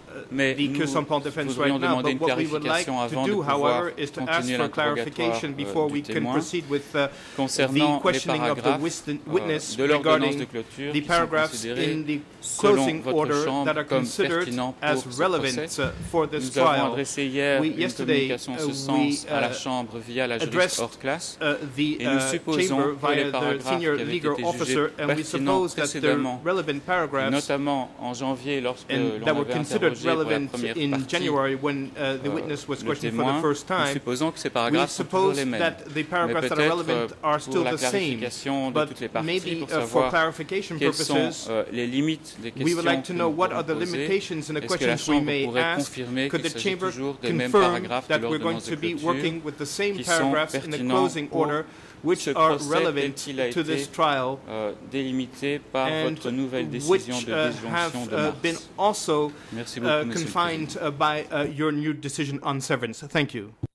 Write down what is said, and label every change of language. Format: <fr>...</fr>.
<fr>Mais nous voudrions demander une clarification avant de pouvoir continuer l'interrogatoire du témoin concernant les paragraphes de l'ordonnance de clôture qui sont considérés selon votre chambre comme pertinents pour ce procès. Nous avons adressé hier une communication en ce sens à la chambre via la juriste hors classe et nous supposons que les paragraphes qui avaient été jugés pertinents précédemment, notamment en janvier lorsque l'on avait interrogé</fr> <en>relevant in January when the witness was questioned for the first time.</en> <fr>Nous supposons que ces paragraphes sont toujours les mêmes.</fr> <en>That the paragraphs that are relevant are still the same. But maybe for clarification purposes,</en> <fr>quelles sont les limites des questions?</fr> <en>We would like to know what are the limitations in the questions we may ask. Could the chamber confirm that we're going to be working with the same paragraphs in the closing order, which are relevant to this trial,</en> <fr>délimité par votre nouvelle décision de disjonction de mars.</fr> <en>Have been also confined by your new decision on severance. Thank you.</en>